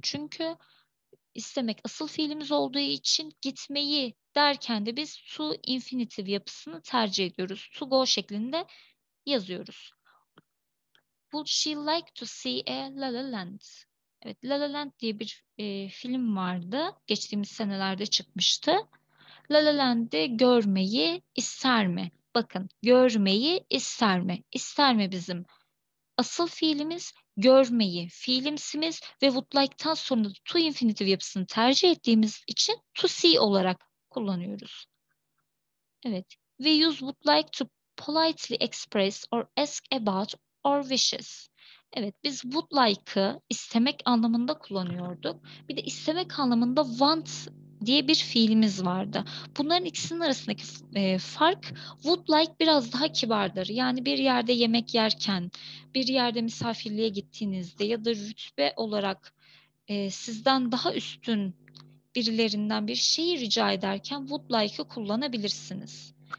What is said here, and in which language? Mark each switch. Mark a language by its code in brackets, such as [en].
[tr] Çünkü istemek asıl fiilimiz olduğu için gitmeyi derken de biz to infinitive yapısını tercih ediyoruz. To go şeklinde yazıyoruz. [en] Would she like to see a La La Land? [tr] Evet, La La Land diye bir film vardı. Geçtiğimiz senelerde çıkmıştı. La La Land'i görmeyi ister mi? Bakın, görmeyi ister mi? İster mi bizim? Asıl fiilimiz görmeyi, fiilimsimiz ve would like'tan sonra to infinitive yapısını tercih ettiğimiz için to see olarak kullanıyoruz. [en] Evet, we use would like to politely express or ask about our wishes. [tr] Evet, biz would like'ı istemek anlamında kullanıyorduk. Bir de istemek anlamında want diye bir fiilimiz vardı. Bunların ikisinin arasındaki fark, would like biraz daha kibardır. Yani bir yerde yemek yerken, bir yerde misafirliğe gittiğinizde ya da rütbe olarak sizden daha üstün birilerinden bir şeyi rica ederken would like'ı kullanabilirsiniz.